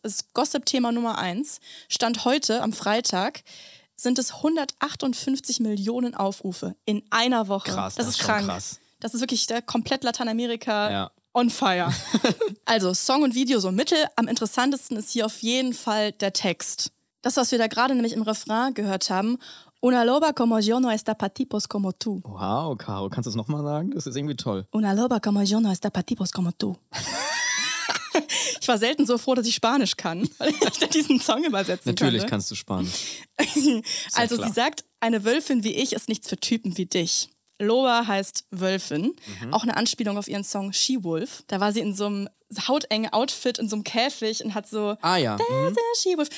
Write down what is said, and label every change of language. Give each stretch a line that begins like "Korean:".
German: Das ist Gossip-Thema Nummer 1. Stand heute, am Freitag, sind es 158 Millionen Aufrufe in einer Woche. Krass, das ist krank. Krass. Das ist wirklich der komplett Lateinamerika-
English: on fire.
German: Also Song und Video so mittel. Am interessantesten ist hier auf jeden Fall der Text. Das, was wir da gerade nämlich im Refrain gehört haben.
Spanish: Una loba como yo no está pa tipos como tú.
German: Wow, Caro, kannst du das nochmal sagen? Das ist irgendwie toll.
Spanish: Una loba como yo no está pa tipos como tú.
German: Ich war selten so froh, dass ich Spanisch kann, weil ich da diesen Song übersetzen Natürlich kann, kannst du Spanisch. Also klar. Sie sagt, eine Wölfin wie ich ist nichts für Typen wie dich. Loba heißt Wölfin. Mhm. Auch eine Anspielung auf ihren Song She-Wolf. Da war sie in so einem hautengen Outfit in so einem Käfig und hat so She-Wolf.